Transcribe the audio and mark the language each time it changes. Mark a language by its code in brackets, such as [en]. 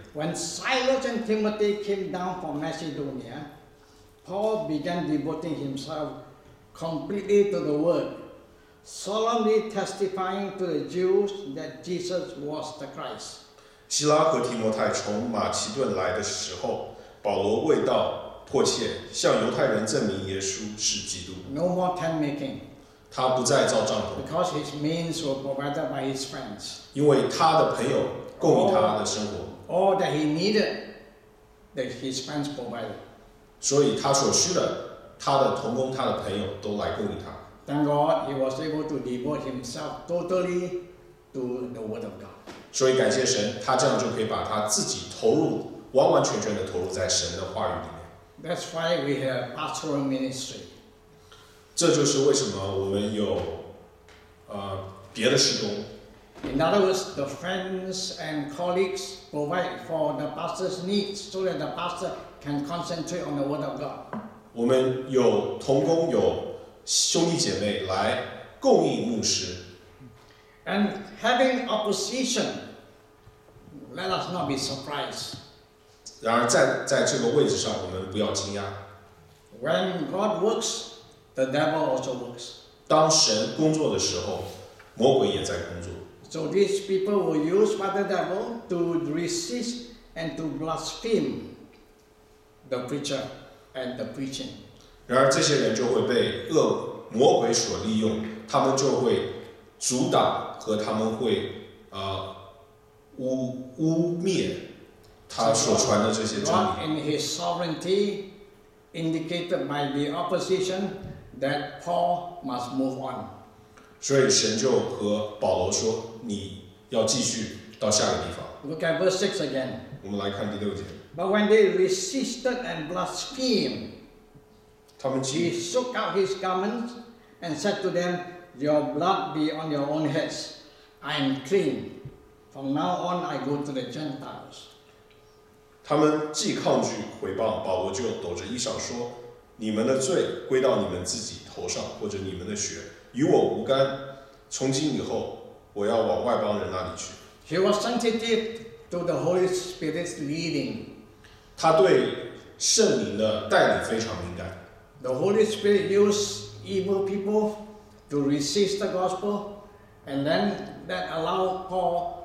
[en] When Silas and Timothy came down from Macedonia, Paul began devoting himself completely to the word, solemnly testifying to the Jews that Jesus was the Christ. [zh] 希拉和提摩太从马其顿来的时候，保罗为道迫切，向犹太人证明耶稣是基督。 [en] No more tent making. [zh] 他不再造帐篷。 [en] Because his means were provided by his friends. [zh] 因为他的朋友供应他的生活。 [en] All that he needed, that his friends provided. [zh] 所以他所需的，他的同工、他的朋友都来供应他。 [en] Thank God, he was able to devote himself totally to the word of God. [zh] 所以感谢神，他这样就可以把他自己投入，完完全全的投入在神的话语里面。 [en] That's why we have pastoral ministry. [zh] 这就是为什么我们有，别的事工。 [en] In other words, the friends and colleagues provide for the pastor's needs, so that the pastor can concentrate on the word of God. [zh] 我们有同工，有兄弟姐妹来供应牧师。 [en] And having opposition, let us not be surprised. [zh] 然而在这个位置上，我们不要惊讶。 [en] When God works. The devil also works. [zh] 当神工作的时候，魔鬼也在工作。 [en] So these people will use Father Devil to resist and to blaspheme the preacher and the preaching. [zh] 然而这些人就会被魔鬼所利用，他们就会阻挡和他们会污蔑他所传的这些真理。 [en] God in His sovereignty indicated by the opposition that Paul must move on. [zh] 所以神就和保罗说，你要继续到下个地方。 [en] Look at verse 6 again. [zh] 我们来看第六节。 [en] But when they resisted and blasphemed, [zh] 他们继续 [en] he shook out his garments and said to them, "Your blood be on your own heads. I am clean." From now on, I go to the Gentiles. [zh] 他们既抗拒毁谤，保罗就抖着衣裳说：“你们的罪归到你们自己头上，或者你们的血与我无干。从今以后，我要往外邦人那里去。” [en] He was sensitive to the Holy Spirit's leading. [zh] 他对圣灵的带领非常敏感。 [en] The Holy Spirit used evil people to resist the gospel, and then that allowed Paul.